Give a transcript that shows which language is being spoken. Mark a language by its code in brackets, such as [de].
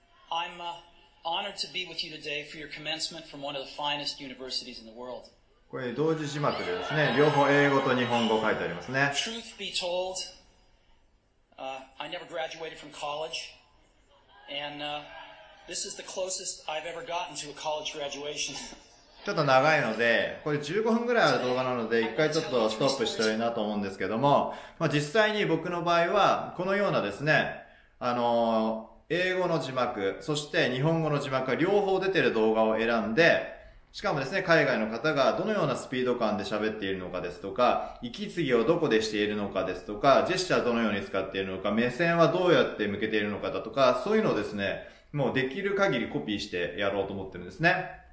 [en] I'm honored to be with you today for your commencement from one of the finest universities in the world. [ja] これ同時字幕でですね、両方英語と日本語書いてありますね。 [en] Truth be told, I never graduated from college, and this is the closest I've ever gotten to a college graduation. [ja] ちょっと長いので、これ15分ぐらいある動画なので、一回ちょっとストップしたいなと思うんですけども、まあ実際に僕の場合は、このようなですね、英語の字幕、そして日本語の字幕が両方出てる動画を選んで、しかもですね、海外の方がどのようなスピード感で喋っているのかですとか、息継ぎをどこでしているのかですとか、ジェスチャーどのように使っているのか、目線はどうやって向けているのかだとか、そういうのをですね、もうできる限りコピーしてやろうと思ってるんですね。